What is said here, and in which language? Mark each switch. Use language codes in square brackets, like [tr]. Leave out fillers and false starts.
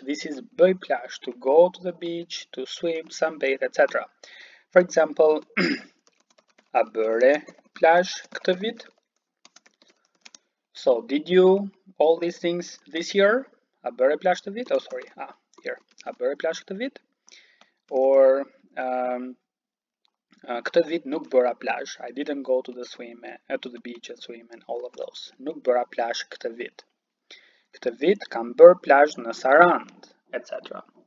[en] This is bëj plazh, to go to the beach, to swim, sunbathe, etc. For example, [sq] a bëre plazh këtë vit. [en] So, did you all these things this year? [sq] A bëre plazh këtë vit? [en] Oh, sorry. Ah, here. [sq] A bëre plazh këtë vit? Or, këtë vit nuk bëra plazh. [en] I didn't go to the swim, to the beach and swim and all of those. [sq] Nuk bëra plazh këtë vit. Këtë vit kam bër plazh në Sarand, etc.